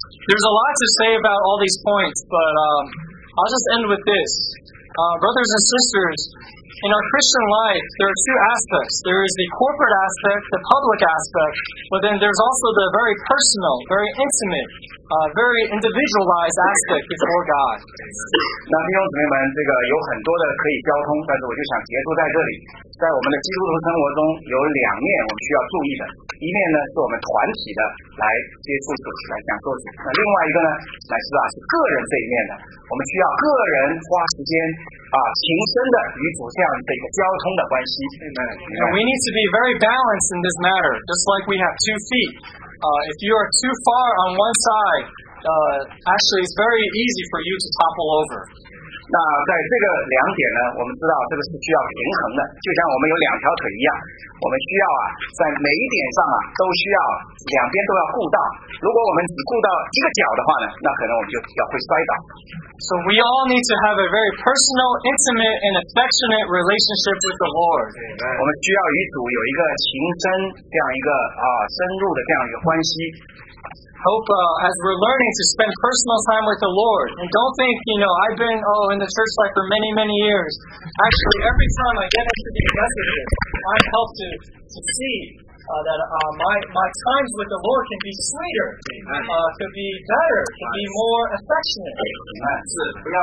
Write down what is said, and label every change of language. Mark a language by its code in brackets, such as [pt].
[en] There's a lot to say about all these points, but I'll just end with this, brothers and sisters. In our Christian life, there are two aspects. There is the corporate aspect, the public aspect, but then there's also the very personal, very intimate, very individualized aspect before God. [zh] 那弟兄姊妹们，这个有很多的可以交通，但是我就想结束在这里。在我们的基督徒生活中，有两面我们需要注意的。一面呢，是我们团体的来接触主，来享受主。那另外一个呢，乃是是个人这一面的。我们需要个人花时间。情深的与主这样的一个交通的关系。 [en] And we need to be very balanced in this matter, just like we have two feet. If you are too far on one side, actually it's very easy for you to topple over. [zh] 那在这个两点呢，我们知道这个是需要平衡的，就像我们有两条腿一样，我们需要在每一点上都需要两边都要顾到。如果我们只顾到一个脚的话呢，那可能我们就会摔倒。 [en] So we all need to have a very personal, intimate, and affectionate relationship with the Lord. [zh] 我们需要与主有一个情深这样一个深入的这样一个关系。 [en] Hope as we're learning to spend personal time with the Lord. And don't think, you know, I've been in the church life for many, many years. Actually, every time I get into these messages, I'm helped to see that my times with the Lord can be sweeter, can be better, can be more affectionate.